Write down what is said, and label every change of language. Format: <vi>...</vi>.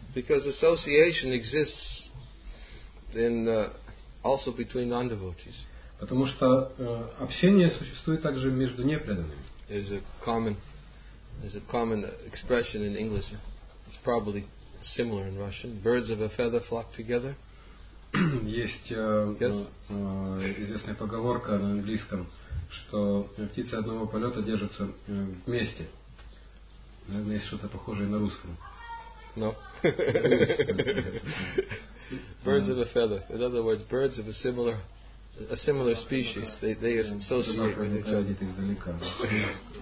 <en>Because association exists in also between non-devotees.</en> <ru>Потому что общение существует также между непреданными.</ru> <en>There's a common expression in English. It's probably similar in Russian. Birds of a feather flock together.</en> <ru>Есть известная поговорка на английском, что птицы одного полета держатся вместе. Наверное, есть что-то похожее на русском.</ru> <en>No. Birds of a feather. In other words, birds of a similar species, they associate with each other.</en>